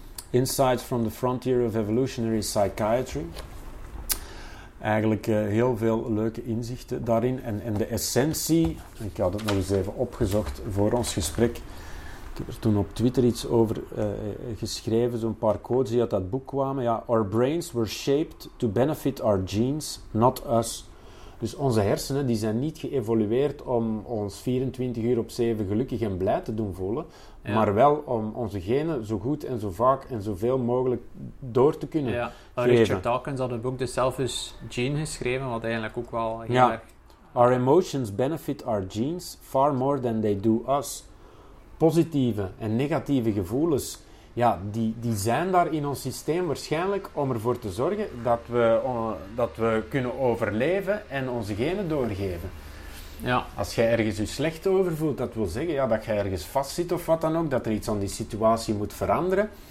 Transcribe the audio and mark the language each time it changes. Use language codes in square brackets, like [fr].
[en] Insights from the Frontier of Evolutionary Psychiatry. [nl] Eigenlijk heel veel leuke inzichten daarin. En de essentie, ik had het nog eens even opgezocht voor ons gesprek. Ik heb er toen op Twitter iets over geschreven, zo'n paar quotes die uit dat boek kwamen. Ja, [en] our brains were shaped to benefit our genes, not us. [nl] Dus onze hersenen die zijn niet geëvolueerd om ons 24 uur op 7 gelukkig en blij te doen voelen. Ja. Maar wel om onze genen zo goed en zo vaak en zoveel mogelijk door te kunnen geven. Richard Dawkins had het boek The Selfish Gene geschreven, wat eigenlijk ook wel heel [en] Our emotions benefit our genes far more than they do us. [nl] Positieve en negatieve gevoelens, die zijn daar in ons systeem waarschijnlijk om ervoor te zorgen dat we kunnen overleven en onze genen doorgeven. Ja. Als jij ergens je slecht over voelt, dat wil zeggen dat jij ergens vastzit of wat dan ook, dat er iets aan die situatie moet veranderen.